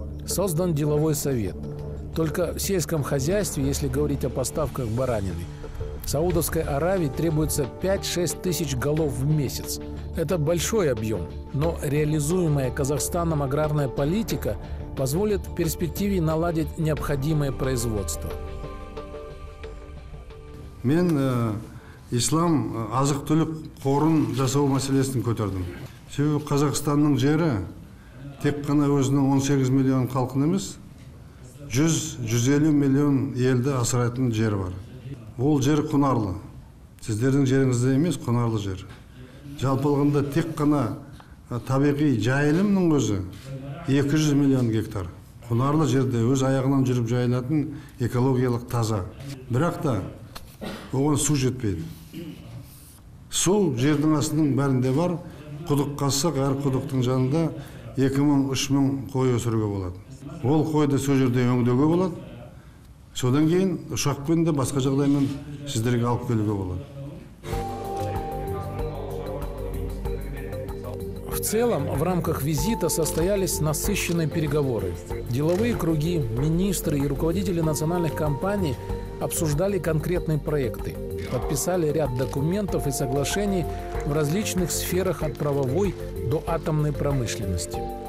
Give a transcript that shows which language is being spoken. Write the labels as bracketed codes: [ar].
[ru] Создан деловой совет. Только в сельском хозяйстве, если говорить о поставках баранины, Саудовской Аравии требуется 5-6 тысяч голов в месяц. Это большой объем, но реализуемая Казахстаном аграрная политика позволит в перспективе наладить необходимое производство. [kk] Мен ислам азық-түлік қорын жасау мәселесін көтердім. Себебі Қазақстанның жері тек қана өзінің 18 миллион халқын емес, 100-150 миллион елді асырайтын жері бар. Ол жер құнарлы. Сіздердің жеріңізде емес, құнарлы жер. Жалпылғында тек қана табиғи жайылымның өзі 200 миллион гектар. Құнарлы жерде өз аяғынан жүріп жайылатын экологиялық таза. Бірақ та оған су жетпейді. Су жердің астының бәрінде бар. Құдық қазсақ, әр құдықтың жанында 2000-3000 қой өсіруге болады. Ол қойды сол жерде өңдеуге болады. Содан кейін ұшақпен де басқа жағдаймен сіздерге алып келуге болады. [ru] В целом, в рамках визита состоялись насыщенные переговоры. Деловые круги, министры и руководители национальных компаний обсуждали конкретные проекты, подписали ряд документов и соглашений в различных сферах от правовой до атомной промышленности.